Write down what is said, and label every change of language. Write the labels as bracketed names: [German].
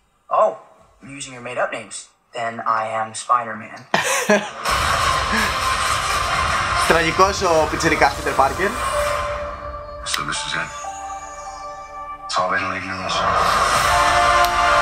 [English] Oh, I'm using your made-up names. Then I am Spider-Man. [Greek] Τραγικός ο πιτσιρικάς Peter Parker. [English] So this is it. It's all been leading to this.